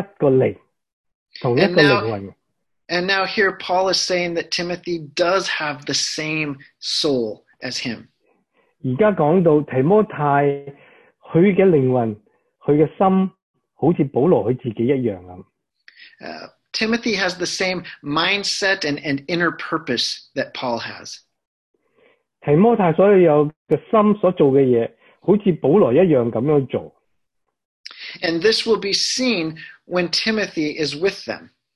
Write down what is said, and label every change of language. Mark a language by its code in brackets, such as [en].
[zh] 保罗很早都是教导腓立比说，大家是同一个灵，同一个灵魂。 [en] And now here Paul is saying that Timothy does have the same soul as him. [zh] 现在讲到提摩太，他的灵魂，他的心，好像保罗他自己一样。 [en] Timothy has the same mindset and inner purpose that Paul has. [zh] 提摩太所有的心所做的事，好像保罗一样这样做。 [en] And this will be seen when Timothy is with them.